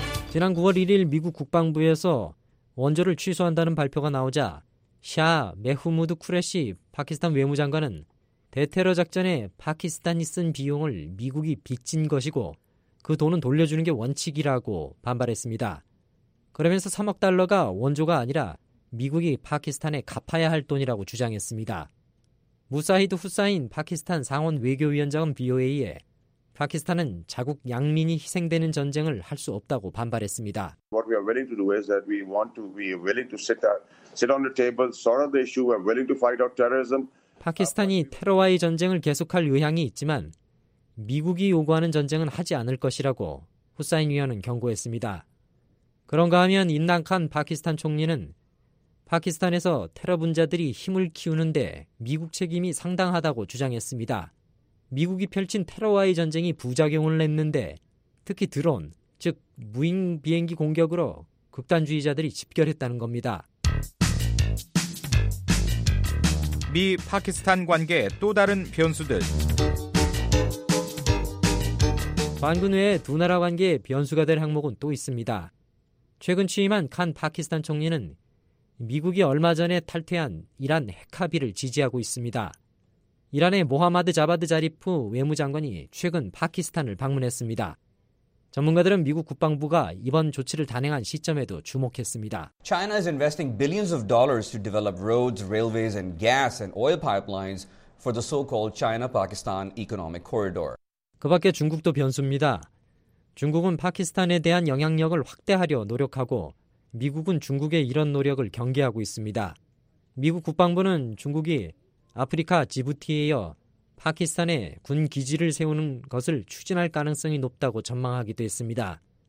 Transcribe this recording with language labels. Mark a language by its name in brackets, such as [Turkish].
[Korean] 지난 9월 1일 미국 국방부에서 원조를 취소한다는 발표가 나오자 샤 메후무드 쿠레시 파키스탄 외무장관은 대테러 작전에 파키스탄이 쓴 비용을 미국이 빚진 것이고 그 돈은 돌려주는 게 원칙이라고 반발했습니다. 그러면서 3억 달러가 원조가 아니라 미국이 파키스탄에 갚아야 할 돈이라고 주장했습니다. 무사히드 후사인 파키스탄 상원 외교위원장은 VOA에 파키스탄은 자국 양민이 희생되는 전쟁을 할 수 없다고 반발했습니다. [English] What we are willing to do is that we want to be willing to sit on the table, sort out the issue. We are willing to fight out terrorism. [Korean] 파키스탄이 테러와의 전쟁을 계속할 의향이 있지만 미국이 요구하는 전쟁은 하지 않을 것이라고 후사인 위원은 경고했습니다. 그런가 하면 인난칸 파키스탄 총리는 파키스탄에서 테러 분자들이 힘을 키우는데 미국 책임이 상당하다고 주장했습니다. 미국이 펼친 테러와의 전쟁이 부작용을 냈는데 특히 드론, 즉 무인 비행기 공격으로 극단주의자들이 집결했다는 겁니다. 미 파키스탄 관계의 또 다른 변수들. 반군 외에 두 나라 관계의 변수가 될 항목은 또 있습니다. 최근 취임한 칸 파키스탄 총리는 미국이 얼마 전에 탈퇴한 이란 핵합의를 지지하고 있습니다. 이란의 모하마드 자바드 자리프 외무장관이 최근 파키스탄을 방문했습니다. 전문가들은 미국 국방부가 이번 조치를 단행한 시점에도 주목했습니다. [English] China is investing billions of dollars to develop roads, railways, and gas and oil pipelines for the so-called China-Pakistan economic corridor. [Korean] 그 밖에 중국도 변수입니다. 중국은 파키스탄에 대한 영향력을 확대하려 노력하고 미국은 중국의 이런 노력을 경계하고 있습니다. 미국 국방부는 중국이 아프리카 지부티에 이어 파키스탄에 군 기지를 세우는 것을 추진할 가능성이 높다고 전망하기도 했습니다.